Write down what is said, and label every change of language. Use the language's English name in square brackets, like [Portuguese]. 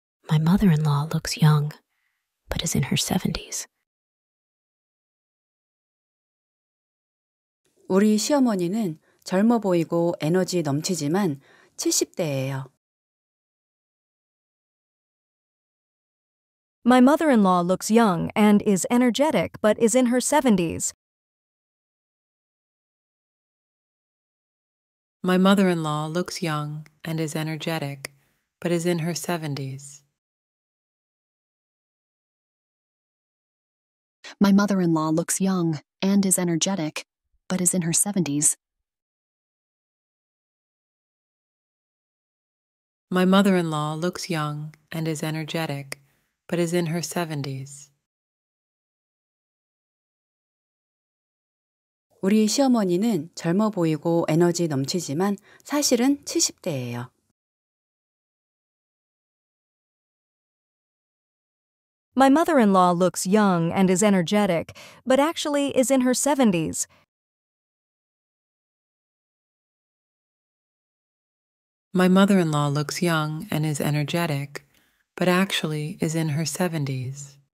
[English] My mother-in-law looks young, but is in her 70s. [Korean] 우리 시어머니는 젊어 보이고 에너지 넘치지만 70대예요. [English] My mother-in-law looks young and is energetic, but is in her 70s. My mother-in-law looks young and is energetic, but is in her 70s. My mother-in-law looks young and is energetic, but is in her 70s. My mother-in-law looks young and is energetic, but is in her 70s. [Korean] 우리 시어머니는 젊어 보이고 에너지 넘치지만 사실은 70대예요. [English] My mother-in-law looks young and is energetic, but actually is in her 70s. My mother-in-law looks young and is energetic, but actually is in her 70s.